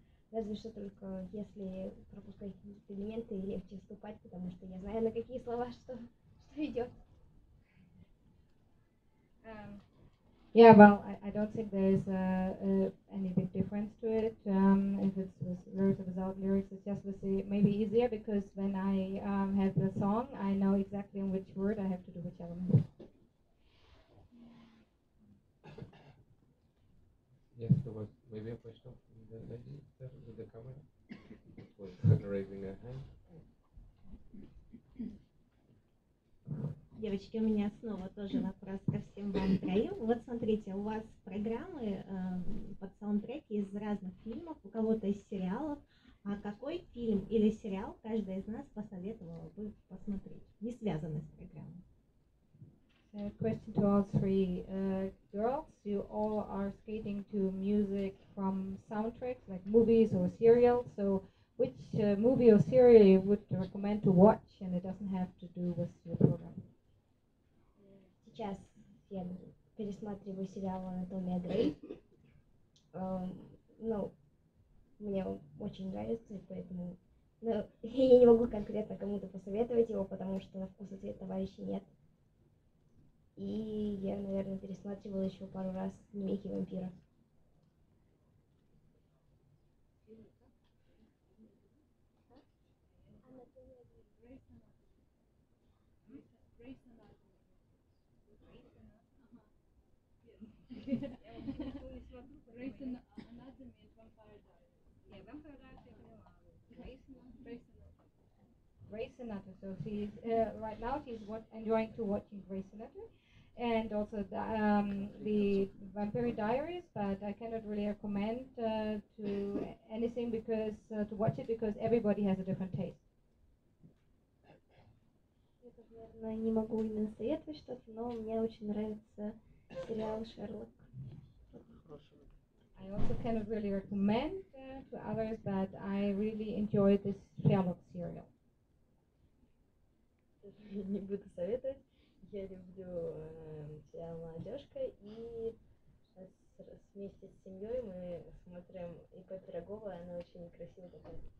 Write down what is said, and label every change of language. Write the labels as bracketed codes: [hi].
[ru] Разве что только если пропускать какие-то элементы и легче вступать, потому что я знаю, на какие слова что идет. [en] Yeah, well, I don't think there's any big difference to it. If it's with lyrics or without lyrics, it's just with maybe easier because when I have the song, I know exactly on which word I have to do which element. Yes, there was maybe a question from the lady with the camera. It was raising her hand. [ru] Девочки, у меня снова тоже вопрос ко всем вам троим. Вот смотрите, у вас программы под саундтреки из разных фильмов, у кого-то из сериалов. А какой фильм или сериал каждая из нас посоветовала бы посмотреть, не связанный с программой? [en] Question to all three girls. You all are skating to music from soundtracks, like movies or serials. So which movie or serial you would recommend to watch, and it doesn't have to do with your program? [ru] Сейчас я пересматриваю сериал «Анатомия Грей». Ну, мне очень нравится, поэтому... Ну, я не могу конкретно кому-то посоветовать его, потому что на вкус и цвет товарищей нет. И я, наверное, пересматривала еще пару раз «Мехи вампира». Я вот не смотрю, [en] Grace Anatomy and Vampire Diaries. Yeah, Vampire Diaries. Grace Anatomy. So she's right now she's enjoying to watching Grace Anatomy, and also the Vampire Diaries. But I cannot really recommend to anything because to watch it because everybody has a different taste. [ru] Не могу и не советовать что-то, но мне очень нравится сериал Шерлок. [en] I also cannot really recommend to others that I really enjoy this Sherlock serial. [ru] Не буду советовать. Я люблю сериал «Молодежка», и вместе с семьей мы смотрим ИП Пирогова, и она очень красивая такая.